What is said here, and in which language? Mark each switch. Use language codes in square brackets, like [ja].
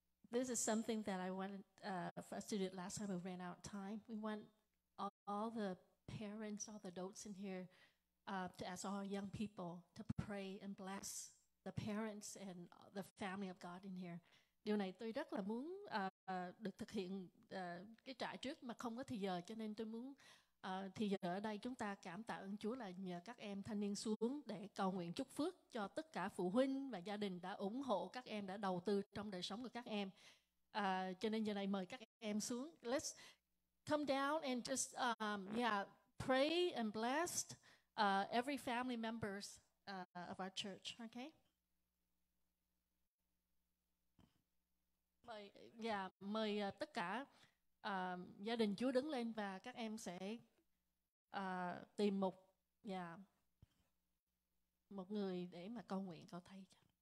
[en] This is something that I wanted for us to do last time. We ran out of time. We want all the parents, all the adults in here, to ask all young people to pray and bless the parents and the family of God in here. [vi] Điều này tôi rất là muốn được thực hiện cái trại trước mà không có thời giờ, cho nên tôi muốn. Thì giờ ở đây chúng ta cảm tạ ơn Chúa là nhờ các em thanh niên xuống để cầu nguyện chúc phước cho tất cả phụ huynh và gia đình đã ủng hộ các em, đã đầu tư trong đời sống của các em. Cho nên giờ này mời các em xuống. [en] Let's come down and just pray and bless every family members of our church, okay? [vi] Mời tất cả gia đình Chúa đứng lên và các em sẽ tìm một một người để mà cầu nguyện cầu thay cho.